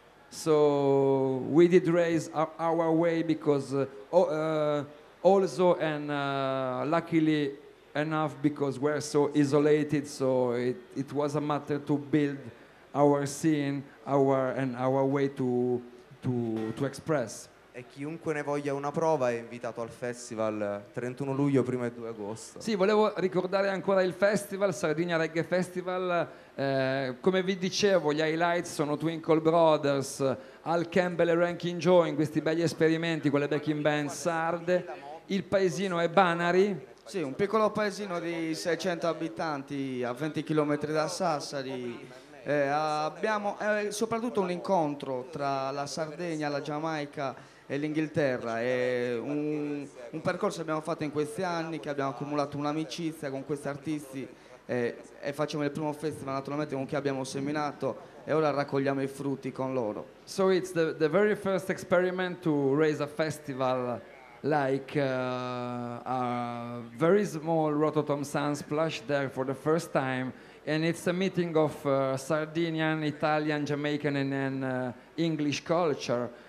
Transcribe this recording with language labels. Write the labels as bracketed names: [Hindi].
[English] So we did raise our way because luckily enough, because we're so isolated, so it was a matter to build our scene, our way to express. [Italian] E chiunque ne voglia una prova è invitato al festival 31 luglio, 1 e 2 agosto. Sì, volevo ricordare ancora il festival, Sardinia Reggae Festival. Come vi dicevo, gli highlights sono Twinkle Brothers, Al Campbell e Ranking Joe, in questi belli esperimenti con le backing band sarde. Il paesino è Banari. Sì, un piccolo paesino di 600 abitanti a 20 km da Sassari. Abbiamo soprattutto un incontro tra la Sardegna, la Giamaica e l'Inghilterra. È un percorso che abbiamo fatto in questi anni, che abbiamo accumulato un'amicizia con questi artisti, e facciamo il primo festival naturalmente con chi abbiamo seminato, e ora raccogliamo i frutti con loro. [English] So it's the very first experiment to raise a festival like a very small Rototom Sunsplash there for the first time and it's a meeting of Sardinian, Italian, Jamaican and English culture.